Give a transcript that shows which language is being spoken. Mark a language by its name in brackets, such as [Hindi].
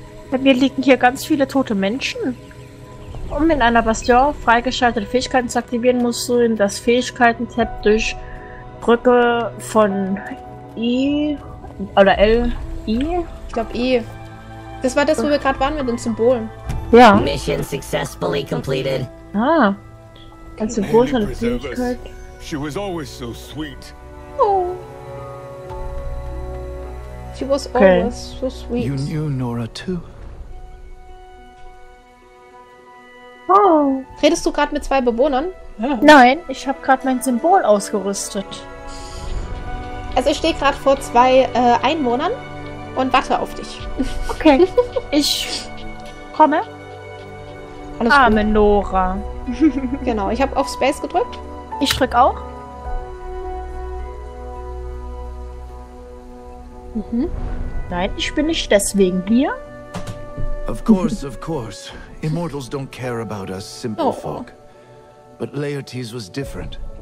[German] Bei mir liegen hier ganz viele tote Menschen. Um in einer Bastion freigeschaltete Fähigkeiten zu aktivieren, musst du in das Fähigkeiten-Tab durch Brücke von I oder L. I? Ich glaube I. Das war das, wo wir gerade waren mit den Symbolen. Ja. [English] Mission successfully completed. Ah. [German] Ein Symbol für eine Fähigkeit. [English] She was always so sweet. She was always so sweet. You knew Nora too. Oh. [German] Redest du gerade mit 2 Bewohnern? Ja. Nein, ich habe gerade mein Symbol ausgerüstet. Also ich stehe gerade vor 2 Einwohnern und warte auf dich. Okay. Ich komme. Alles Arme gut. Nora. Genau, ich habe auf Space gedrückt. Ich drück auch. Mhm. Nein, ich bin nicht deswegen hier. [English] Of course, of course. Immortals don't care about us simple folk. But Laertes was different.